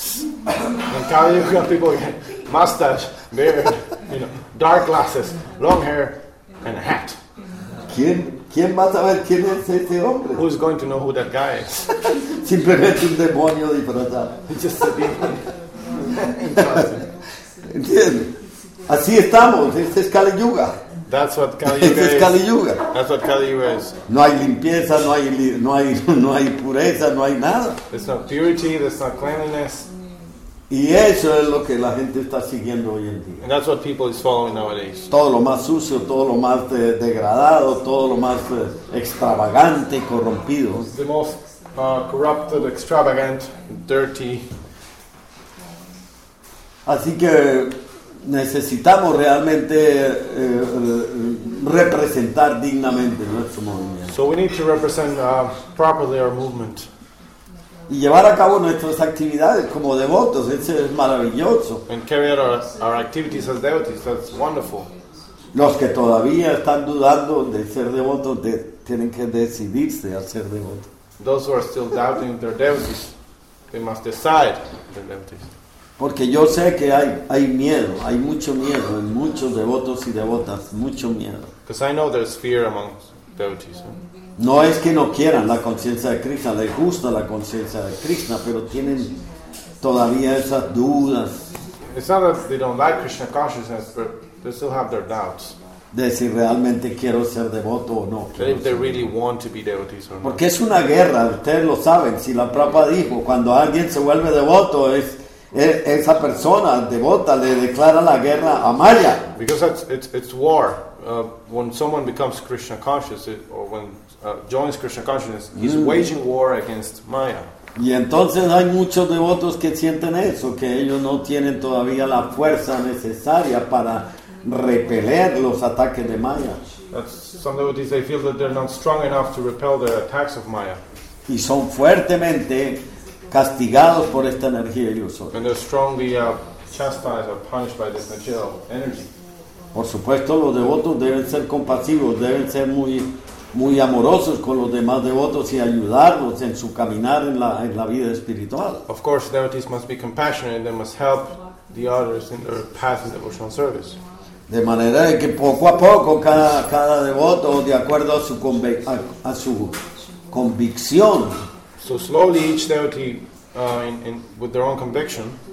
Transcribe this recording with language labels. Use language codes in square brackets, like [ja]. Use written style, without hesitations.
[en] In Kali Yuga, people get mustache, beard, dark glasses, long hair, and a hat. [es] ¿Quién va a saber quién es ese hombre? [en] Who's going to know who that guy is? [es] Simplemente un demonio disfrazado. [en] Just a demon. [es] ¿Entiendes? Así estamos. Este es Kali Yuga. [en] That's what Kali Yuga is. [es] Este es Kali Yuga. [en] That's what Kali Yuga is. [es] No hay limpieza, no hay pureza, no hay nada. [en] There's no purity, there's no cleanliness. [es] Y eso es lo que la gente está siguiendo hoy en día. [en] And that's what people is following nowadays. [es] Todo lo más sucio, todo lo más degradado, todo lo más extravagante, corrompido. [en] The most corrupted, extravagant, dirty. [es] Así que necesitamos realmente representar dignamente nuestro movimiento. [en] So we need to represent properly our movement. [es] y llevar a cabo nuestras actividades como devotos, eso es maravilloso. [en] And carry out our activities as devotees, that's wonderful. [es] Los que todavía están dudando de ser devotos tienen que decidirse a ser devotos. [en] Those who are still doubting their devotees, they must decide their devotees. [es] Porque yo sé que hay miedo, hay mucho miedo en muchos devotos y devotas, mucho miedo. [en] Because I know there's fear among devotees. [es] No es que no quieran la conciencia de Krishna, les gusta la conciencia de Krishna, pero tienen todavía esas dudas. [en] It's not that they don't like Krishna consciousness, but they still have their doubts. [es] De si realmente quiero ser devoto o no. [en] If they really want to be devotees or not. [es] Porque es una guerra, ustedes lo saben. Si la Prabhupada dijo, cuando alguien se vuelve devoto, esa persona devota le declara la guerra a Maya. [en] Because it's war. When someone becomes Krishna conscious, joins Krishna consciousness, he's waging war against Maya. [es] Y entonces hay muchos devotos que sienten eso, que ellos no tienen todavía la fuerza necesaria para repeler los ataques de Maya. [en] Some devotees, they feel that they're not strong enough to repel the attacks of Maya. [es] Y son fuertemente castigados por esta energía ilusoria. [en] And they're strongly chastised or punished by this material energy. [es] Por supuesto, los devotos deben ser compasivos, deben ser muy muy amorosos con los demás devotos y ayudarlos en su caminar en la vida espiritual. [en] Of course, devotees must be compassionate and they must help the others in their path in devotional service. [es] De manera que poco a poco cada devoto, de acuerdo a su convicción, [en] so slowly each devotee in with their own conviction,